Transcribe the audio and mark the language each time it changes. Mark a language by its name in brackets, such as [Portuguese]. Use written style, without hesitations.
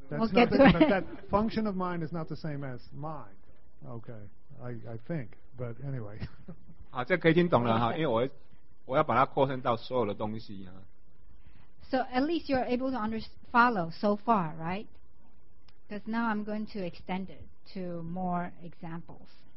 [English] That function of mind is not the same as mind. Okay, I think, but anyway. [Chinese] 好,这可以听懂了,因为我会 我要把它扩散到所有的东西啊。 [English] So at least you're able to follow so far, right? Because now I'm going to extend it to more examples.